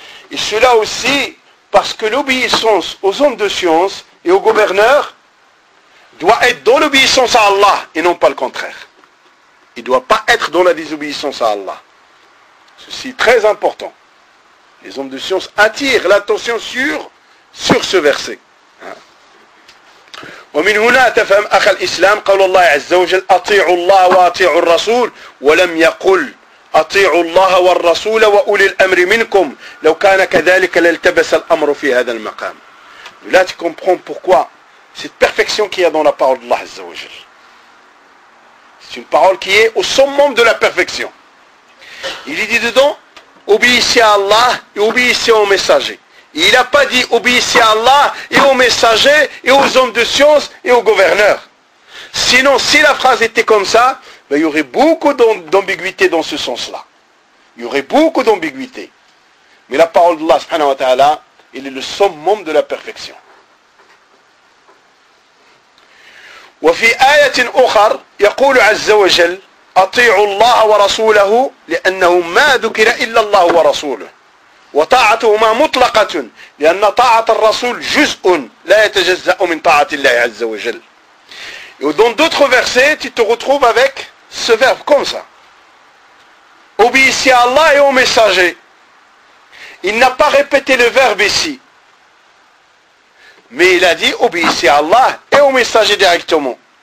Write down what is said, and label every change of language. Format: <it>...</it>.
<fr>Et cela aussi, parce que l'obéissance aux hommes de science et aux gouverneurs doit être dans l'obéissance à Allah et non pas le contraire. Il ne doit pas être dans la désobéissance à Allah. Ceci est très important. Les hommes de science attirent l'attention sur ce verset.</fr> <ar>ومن هنا تفهم أخ الإسلام قول الله عز وجل أطيعوا الله وأطيعوا الرسول ولم يقل أطيعوا الله والرسول وأولي الأمر منكم لو كان كذلك لالتبس الأمر في هذا المقام.</ar> <fr>Là tu comprends pourquoi cette perfection qu'il y a dans la parole d'Allah عز وجل. C'est une parole qui est au summum de la perfection. Il y dit dedans obéissez à Allah et obéissez aux messagers. Il n'a pas dit obéissez à Allah et aux messagers et aux hommes de science et aux gouverneurs. Sinon, si la phrase était comme ça, ben, il y aurait beaucoup d'ambiguïté dans ce sens-là. Il y aurait beaucoup d'ambiguïté. Mais la parole d'Allah, subhanahu wa ta'ala, il est le summum de la perfection.</fr> <ar>وفي آية أخرى يقول عز وجل أطيعوا الله ورسوله لأنه ما ذكر إلا الله ورسوله وطاعتهما مطلقة لأن طاعة الرسول جزء لا يتجزأ من طاعة الله عز وجل.</ar> <fr>Et dans d'autres versets, tu te retrouves avec ce verbe comme ça. obéissez à Allah et au messager. Il n'a pas répété le verbe ici. Mais il a dit obéissez à Allah et au messager directement.</fr>